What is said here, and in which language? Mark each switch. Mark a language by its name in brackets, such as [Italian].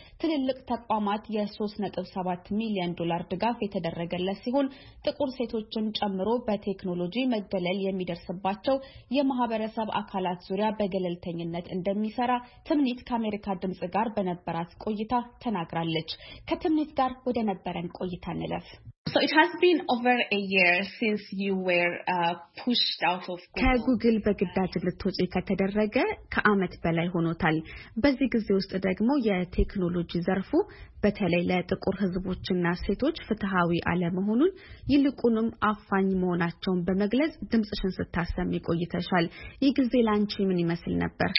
[Amharic] ትልልቅ ተቋማት የ3.7 ሚሊዮን ዶላር ድጋፍ የተደረገለት ሲሆን ጥቁር ሴቶችን ጨምሮ በቴክኖሎጂ መደለል የሚደርስባቸው የማህበረሰብ አካላት ዙሪያ በገለልተኝነት እንደሚሰራ ትምኒት ከአሜሪካ ድምጽ ጋር በነበራት ቆይታ ተናግራለች። ከትምኒት ጋር ወደ ነበረን ቆይታ እንለፍ። [English] So it has been over a year since you were pushed out of [Amharic] Google በግዳጅ ልትወጪ ከተደረገ ከአመት በላይ ሆኖታል። በዚህ ጊዜ ውስጥ ደግሞ የቴክኖሎጂ ዘርፉ በተለይ ለጥቁር ህዝቦችና ሴቶች ፍትሃዊ ዓለም ሆኑን ይልቁንም አፋኝ መሆናቸውን በመግለጽ ድምጽሽን ስታሰሚ ቆይተሻል። ይህ ጊዜ ላንቺ ምን ይመስል ነበር?